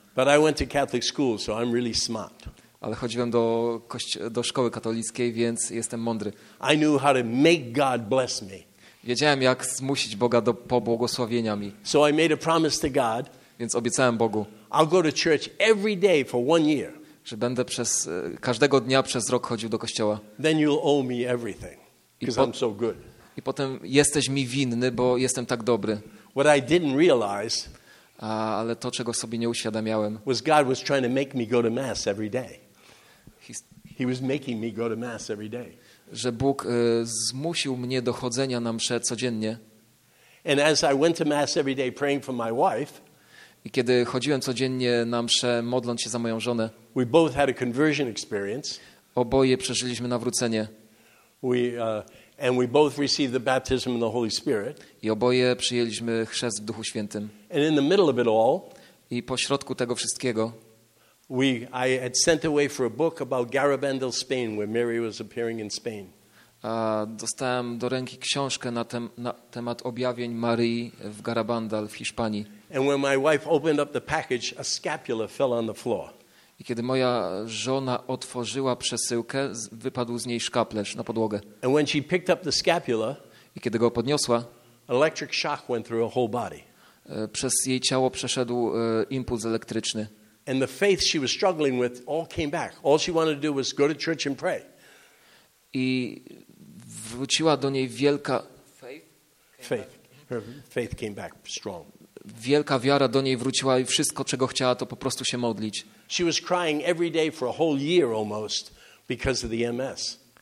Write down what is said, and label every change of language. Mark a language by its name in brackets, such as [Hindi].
[English] But I went to Catholic school, so I'm really smart. [Polish] ale chodziłem do szkoły katolickiej, więc jestem mądry. [English] I knew how to make God bless me. [Polish] Wiedziałem, jak zmusić Boga do pobłogosławienia mi. [English] So I made a promise to God, [Polish] więc obiecałem Bogu, [English] I'll go to church every day for one year. [Polish] Że będę każdego dnia przez rok chodził do kościoła. [English] Then you'll owe me everything, because I'm so good. [Polish] I potem jesteś mi winny, bo jestem tak dobry. [English] What I didn't realize, [Polish] ale to, czego sobie nie uświadamiałem, [English] was God was trying to make me go to mass every day. He was making me go to mass every day. [Polish] Że Bóg zmusił mnie do chodzenia na mszę codziennie. [English] And as I went to mass every day praying for my wife, [Polish] i kiedy chodziłem codziennie na mszę, modląc się za moją żonę, [English] we both had a conversion experience. [Polish] Oboje przeżyliśmy nawrócenie. [English] And we both received the baptism in the Holy Spirit. [Polish] I oboje przyjęliśmy chrzest w Duchu Świętym. [English] And in the middle of it all, [Polish] i pośrodku tego wszystkiego, [English] I had sent away for a book about Garabandal, Spain, where Mary was appearing in Spain. [Polish] Dostałem do ręki książkę na temat objawień Marii w Garabandal w Hiszpanii. [English] And when my wife opened up the package, a scapula fell on the floor. [Polish] I kiedy moja żona otworzyła przesyłkę, wypadł z niej szkaplerz na podłogę. [English] And when she picked up the scapula, [Polish] i kiedy go podniosła, [English] electric shock went through her whole body. [Polish] Przez jej ciało przeszedł impuls elektryczny. [English] And the faith she was struggling with all came back. All she wanted to do was go to church and pray. [Polish] I wróciła do niej wielka [English] faith. Her faith came back strong. [Polish] Wielka wiara do niej wróciła i wszystko, czego chciała, to po prostu się modlić. [English] She was crying every day for a whole year almost because of the MS.